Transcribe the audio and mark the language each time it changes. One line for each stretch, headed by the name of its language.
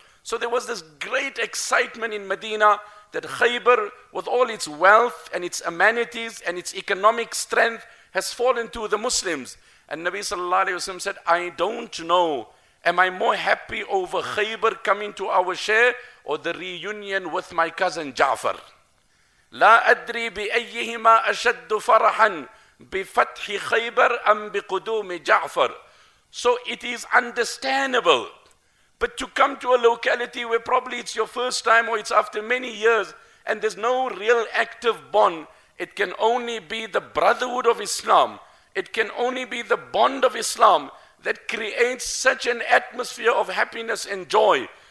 English: So there was this great excitement in Medina that Khaybar, with all its wealth and its amenities and its economic strength, has fallen to the Muslims. And Nabi sallallahu alayhi wa sallam said, I don't know. Am I more happy over Khaybar coming to our share or the reunion with my cousin Ja'far?
Arabic: لا أدري بأيهما أشد فرحا بفتح خيبر أم بقدوم جعفر.
English: So it is understandable. But to come to a locality where probably it's your first time or it's after many years and there's no real active bond, it can only be the brotherhood of Islam. It can only be the bond of Islam that creates such an atmosphere of happiness and joy.